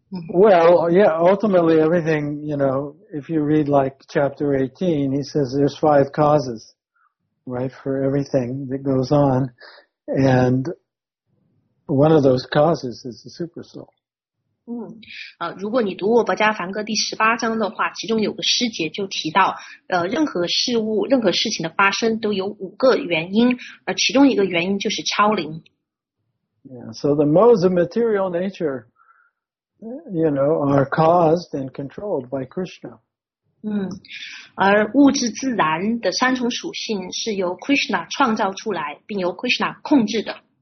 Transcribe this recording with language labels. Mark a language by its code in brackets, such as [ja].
[en] Well, yeah, ultimately everything, you know, if you read like chapter 18, he says there's five causes, right, for everything that goes on. And one of those causes is the super soul. [zh] 如果你读过薄伽梵歌第十八章的话，其中有个诗节就提到任何事物任何事情的发生都有五个原因，而其中一个原因就是超灵。 [en] Yeah, so the modes of material nature, you know, are caused and controlled by Krishna. [zh] 而物质自然的三重属性是由 Krishna 创造出来并由 Krishna 控制的。